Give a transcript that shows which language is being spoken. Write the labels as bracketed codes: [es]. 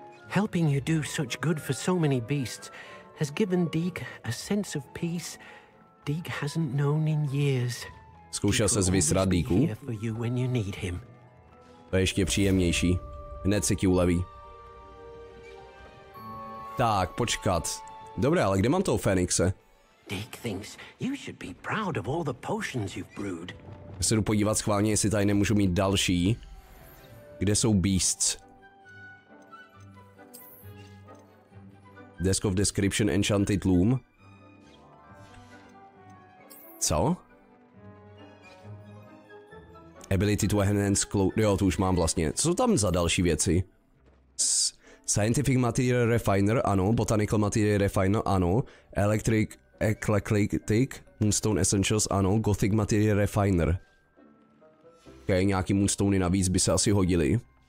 [en] Helping you do such good for so many beasts has given Deke a sense of peace Deke hasn't known in years. [cs] Zkoušel se zvysrat Deku. To je ještě příjemnější. Hned se ti uleví. Tak, počkat. Dobré, ale kde mám toho Fénixe? [en] Deke thinks you should be proud of all the potions you've brewed. [cs] Já se jdu podívat schválně, jestli tady nemůžu mít další. Kde jsou beasts? [en] Desk of Description Enchanted Loom. [cs] Co? [en] Ability to enhance clothes. [cs] Jo, to už mám vlastně. Co jsou tam za další věci? [en] Scientific Material Refiner, ano. Botanical Material Refiner, ano. Electric Eclectic Moonstone Essentials, ano. [cs] Gothic Material Refiner. Ok, nějaký moonstony navíc by se asi hodily.